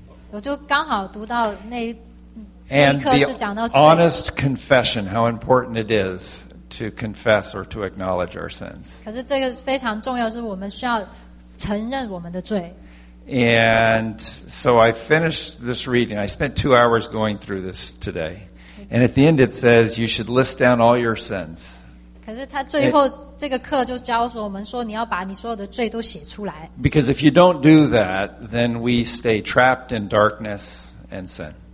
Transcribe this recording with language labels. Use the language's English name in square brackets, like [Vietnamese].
[Chinese] 我就刚好读到那一课是讲到罪。 [English] And the honest confession, how important it is to confess or to acknowledge our sins. [Chinese] 可是这个非常重要，是我们需要承认我们的罪。 [English] And so I finished this reading. I spent 2 hours going through this today. And at the end it says, you should list down all your sins. [Chinese] 可是他最后这个课就教我们说，你要把你所有的罪都写出来。 [English] Because if you don't do that, then we stay trapped in darkness and sin.